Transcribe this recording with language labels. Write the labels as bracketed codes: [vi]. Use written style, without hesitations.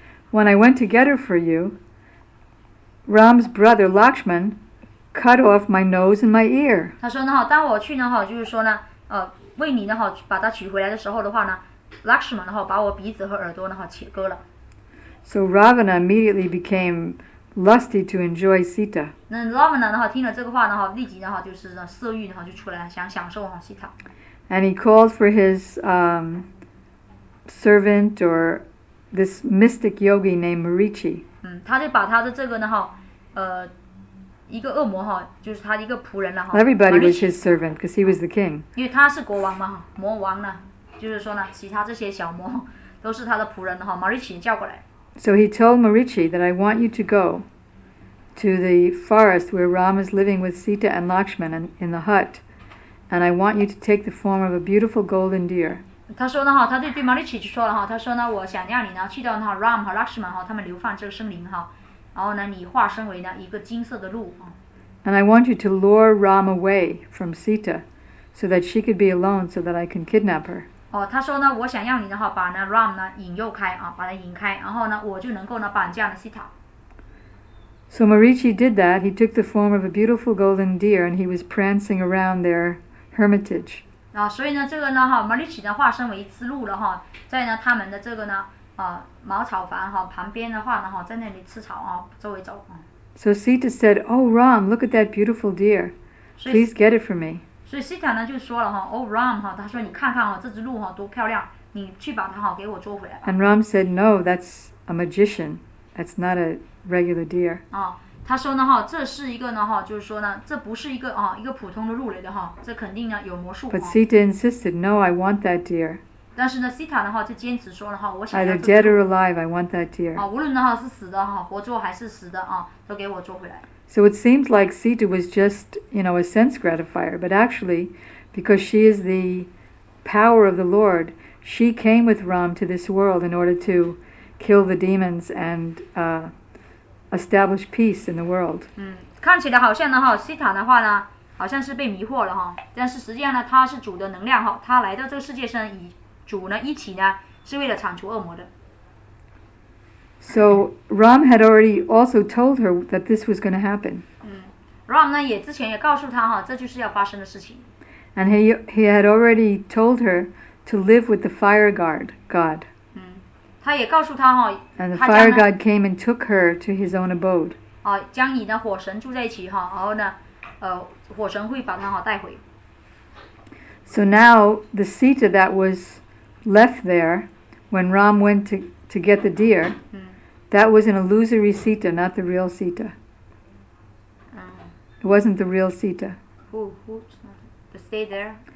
[en] When I went to get her for you. Ram's brother Lakshman cut off my nose and my ear. [zh] 他说呢，当我去呢，就是说呢，为你呢，把他娶回来的时候的话呢 ，Lakshman 把我鼻子和耳朵呢，切割了。 [en] So Ravana immediately became lusty to enjoy Sita. [zh] 那 Ravana 的话听了这个话的话，立即的话就是色欲的话就出来了，想享受哈 Sita。 [en] And he called for his servant or this mystic yogi named Marichi. [zh] 他就把他的这个呢哈，一个恶魔哈，就是他一个仆人了哈。 [en] Everybody was his servant because he was the king. [zh] 因为他是国王嘛，魔王呢，就是说呢，其他这些小魔都是他的仆人哈。Marichi 叫过来。 [en] So he told Marichi that I want you to go to the forest where Ram is living with Sita and Lakshman in the hut, and I want you to take the form of a beautiful golden deer. [zh] 他说呢哈，他对Marichi就说了哈，他说呢，我想让你呢去到那 Ram 和 Lakshman 哈，他们流放这个森林哈，然后呢，你化身为呢一个金色的鹿啊。 [en] And I want you to lure Ram away from Sita, so that she could be alone, so that I can kidnap her. [zh] 哦，他说呢，我想让你的话把呢 Ram 呢引诱开啊，把他引开，然后呢，我就能够呢绑架了 Sita。 [en] So Marichi did that. He took the form of a beautiful golden deer, and he was prancing around their hermitage. [zh] 啊，所以呢，这个呢哈 ，Marichi 呢化身为一只鹿了哈，在呢他们的这个呢。茅草房哈旁边的话呢哈，在那里吃草啊，周围走。 [en] So Sita said, "Oh Ram, look at that beautiful deer. Please get it for me." [zh] 所以 Sita 呢就说了哈 ，Oh Ram 哈，他说你看看哈，这只鹿哈多漂亮，你去把它哈给我捉回来。 [en] And Ram said, "No, that's a magician. That's not a regular deer." [zh] 啊，他说呢哈，这是一个呢哈，就是说呢，这不是一个啊一个普通的鹿来的哈，这肯定呢有魔术。 [en] But Sita insisted, "No, I want that deer." [zh] 但是呢 ，Sita 的话就坚持说了哈，我想要。 [en] Either dead or alive, I want that deer. [zh] 啊，无论的话是死的哈，活捉还是死的啊，都给我捉回来。 [en] So it seems like Sita was just, you know, a sense gratifier, but actually, because she is the power of the Lord, she came with Ram to this world in order to kill the demons and establish peace in the world. [zh] 嗯，看起来好像呢哈 ，Sita 的话呢。好像是被迷惑了哈，但是实际上呢，他是主的能量哈，他来到这个世界上与主呢一起呢，是为了铲除恶魔的。 [en] So Ram had already also told her that this was going to happen. [zh] 嗯 ，Ram 呢也之前也告诉他哈，这就是要发生的事情。 [en] And he had already told her to live with the fire guard god. [zh] 嗯，他也告诉他哈。 [en] And the fire god came and took her to his own abode. [zh] 啊，将你的火神住在一起哈，然后呢。火神会把他带回。 [en] So now the Sita that was left there when Ram went to get the deer, that was an illusory Sita, not the real Sita. It wasn't the real Sita. Who stayed there?